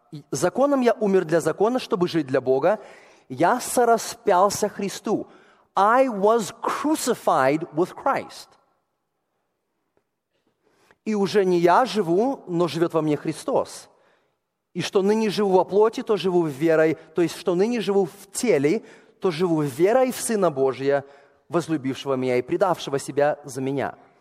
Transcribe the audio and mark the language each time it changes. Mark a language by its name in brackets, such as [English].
[Russian] «Законом я умер для закона, чтобы жить для Бога. Я сораспялся Христу». [English] «I was crucified with Christ». [Russian] «И уже не я живу, но живет во мне Христос. И что ныне живу во плоти, то живу верой». То есть, что ныне живу в теле, то живу верой в Сына Божия, возлюбившего меня и предавшего себя за меня.